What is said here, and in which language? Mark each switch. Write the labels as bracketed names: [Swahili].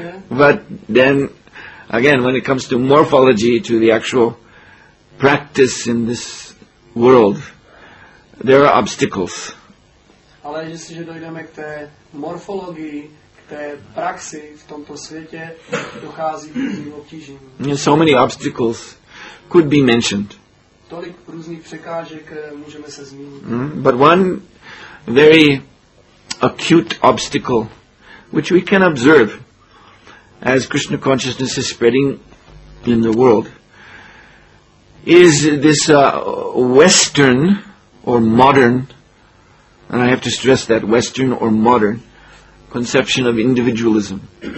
[English] But then, again, when it comes to morphology, to the actual practice in this world, there are obstacles. [Czech] Ale jestliže dojdeme k té morfologii, k té praxi v tomto světě, dochází k obtížím. [English] So many obstacles could be mentioned. [Czech] Tolik různých překážek můžeme se zmínit. [English] But one very acute obstacle which we can observe as Krishna consciousness is spreading in the world is this Western or modern, and I have to stress that, Western or modern conception of individualism.